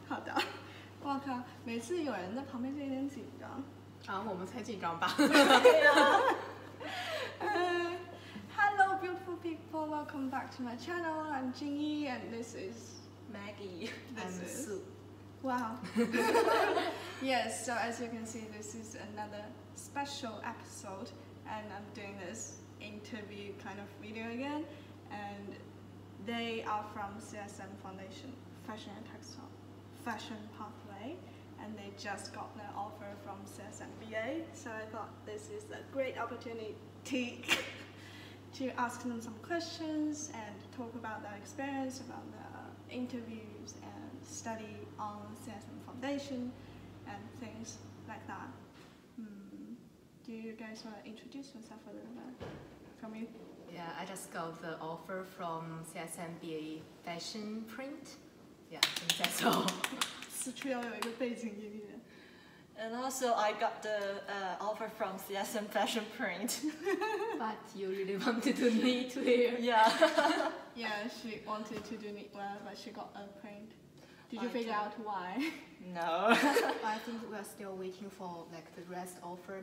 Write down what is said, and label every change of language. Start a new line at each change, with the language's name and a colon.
Chinese: 好的，我靠，每次有人在旁边就有点紧张。啊，我们才紧张吧。
English: Hello beautiful people, welcome back to my channel. I'm Jingyi and this is Maggie. I'm Su. Wow. Yes, so as you can see, this is another special episode and I'm doing this interview kind of video again. And they are from CSM Foundation Fashion and Textile Fashion Pathway, and they just got an offer from CSM BA. So I thought this is a great opportunity to ask them some questions and talk about their experience, about their interviews and study on CSM Foundation and things like that. Do you guys want to introduce yourself a little bit from you? Yeah, I just got the offer from CSM BA Fashion Print. Yeah, I think that's all.
Chinese: 是需要有一个背景音乐。
English: And also, I got the offer from CSM Fashion Print. But you really wanted to knit here. Yeah. Yeah, she wanted to do knit well, but she got a print. Did you figure out why? No. I think we are still waiting for like the rest offer.